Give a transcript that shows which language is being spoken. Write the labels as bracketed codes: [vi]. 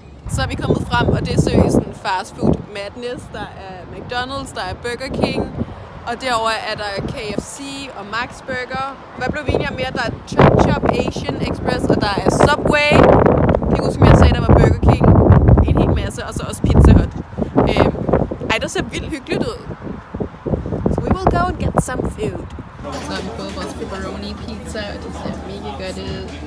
[da] Så er vi kommet frem, og det er seriøst en fast food madness. Der er McDonald's, der er Burger King, og derover er der KFC og Max Burger. Hvad blev vi enige om mere? Der er Chop Chop Asian Express, og der er Subway. Jeg kan huske, som jeg sagde, der var Burger King. En hel masse, og så også Pizza Hut. Ej, der ser vildt hyggeligt ud. [en] So we will go and get some food. [da] Så har vi fået vores pepperoni pizza, og det ser mega godt ud.